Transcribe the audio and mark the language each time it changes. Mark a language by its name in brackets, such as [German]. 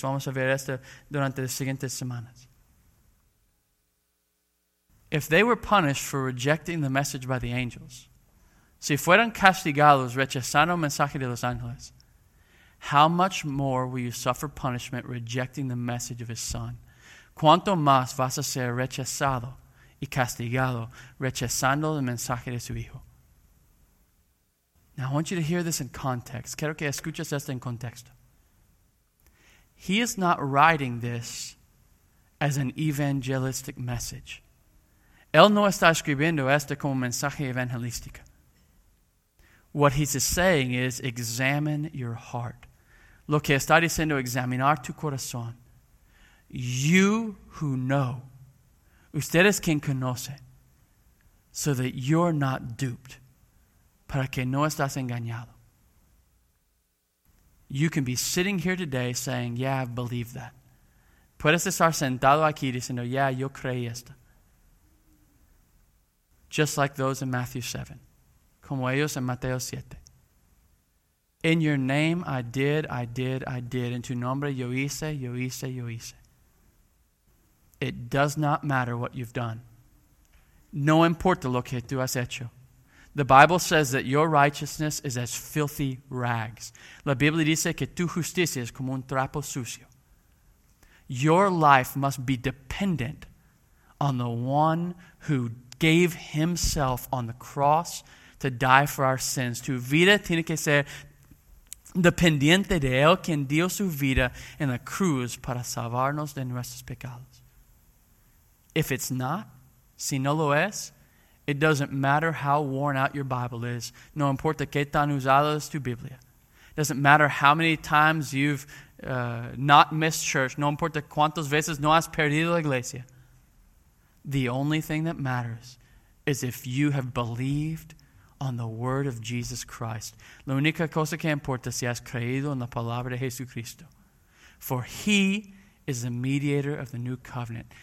[Spanish] Vamos a ver esto durante las siguientes semanas. [English] If they were punished for rejecting the message by the angels, [Spanish] si fueron castigados rechazando el mensaje de los ángeles, [English] how much more will you suffer punishment rejecting the message of his son? [Spanish] ¿Cuánto más vas a ser rechazado y castigado rechazando el mensaje de su hijo? [English] Now I want you to hear this in context. [Spanish] Quiero que escuches esto en contexto. [English] He is not writing this as an evangelistic message. [Spanish] Él no está escribiendo esto como mensaje evangelístico. [English] What he's saying is, examine your heart. [Spanish] Lo que está diciendo, examinar tu corazón. [English] You who know. [Spanish] Ustedes quien conoce. [English] So that you're not duped. [Spanish] Para que no estás engañado. [English] you can be sitting here today saying, yeah, I believe that. [Spanish] Puedes estar sentado aquí diciendo, yeah, yo creí esto. [English] Just like those in Matthew 7. [Spanish] Como ellos en Mateo 7. [English] In your name I did, I did, I did. [Spanish] En tu nombre yo hice, yo hice, yo hice. [English] It does not matter what you've done. [Spanish] No importa lo que tú has hecho. [English] The Bible says that your righteousness is as filthy rags. [Spanish] La Biblia dice que tu justicia es como un trapo sucio. [English] Your life must be dependent on the one who gave himself on the cross to die for our sins. [Spanish] Tu vida tiene que ser dependiente de él quien dio su vida en la cruz para salvarnos de nuestros pecados. [English] If it's not, [Spanish] si no lo es, [English] it doesn't matter how worn out your Bible is. [Spanish] No importa qué tan usada es tu Biblia. [English] Doesn't matter how many times you've not missed church. [Spanish] No importa cuántas veces no has perdido la iglesia. [English] The only thing that matters is if you have believed on the word of Jesus Christ. [Spanish] La única cosa que importa si has creído en la palabra de Jesucristo. [English] For he is the mediator of the new covenant.